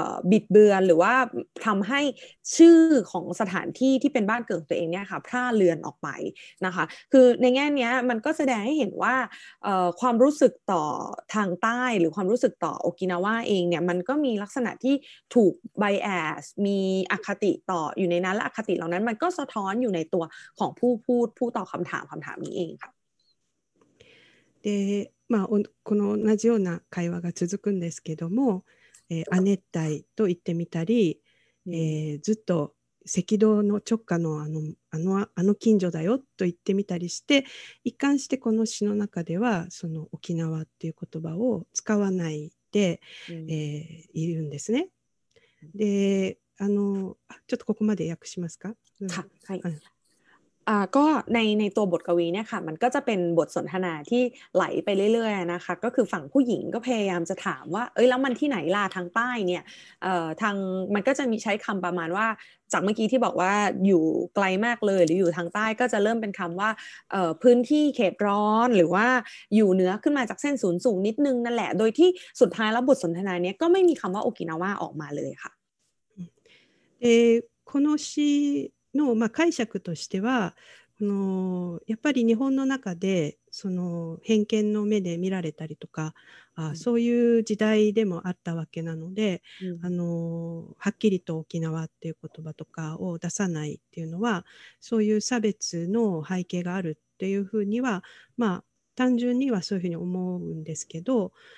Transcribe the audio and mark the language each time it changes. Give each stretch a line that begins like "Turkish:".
Thai: บิดเบือนหรือว่าทำให้ชื่อของสถานที่ที่เป็นบ้านเกิดตัวเองเนี่ยค่ะพร่าเลือนออกไปนะคะคือในแง่นี้มันก็แสดงให้เห็นว่าความรู้สึกต่อทางใต้หรือความรู้สึกต่อโอกินาวาเองเนี่ยมันก็มีลักษณะที่ถูกไบแอสมีอคติต่ออยู่ในนั้นและอคติเหล่านั้นมันก็สะท้อนอยู่ในตัวของผู้พูดผู้ตอบคำถามนี้เองค่ะ
Japanese: でまあこの同じような会話が続くんですけども亜熱帯と言ってみたり、ずっと赤道の直下のあの近所だよと言ってみたりして一貫してこの詩の中ではその沖縄っていう言葉を使わないで、いるんですね。で、ちょっとここまで訳しますか？はい。
Thai: ก็ในตัวบทกวีเนี่ยค่ะมันก็จะเป็นบทสนทนาที่ไหลไปเรื่อยๆนะคะก็คือฝั่งผู้หญิงก็พยายามจะถามว่าเอ้ยแล้วมันที่ไหนล่ะทางใต้เนี่ยทางมันก็จะมีใช้คำประมาณว่าจากเมื่อกี้ที่บอกว่าอยู่ไกลมากเลยหรืออยู่ทางใต้ก็จะเริ่มเป็นคำว่าพื้นที่เขตร้อนหรือว่าอยู่เหนือขึ้นมาจากเส้นศูนย์สูงนิดนึงนั่นแหละโดยที่สุดท้ายแล้วบทสนทนาเนี่ยก็ไม่มีคำว่าโอกินาวาออกมาเลยค่ะ
Japanese: この詩のまあ解釈としてはこのやっぱり日本の中でその偏見の目で見られたりとか、うん、そういう時代でもあったわけなので、うん、はっきりと沖縄っていう言葉とかを出さないっていうのはそういう差別の背景があるっていうふうにはまあ単純にはそういうふうに思うんですけど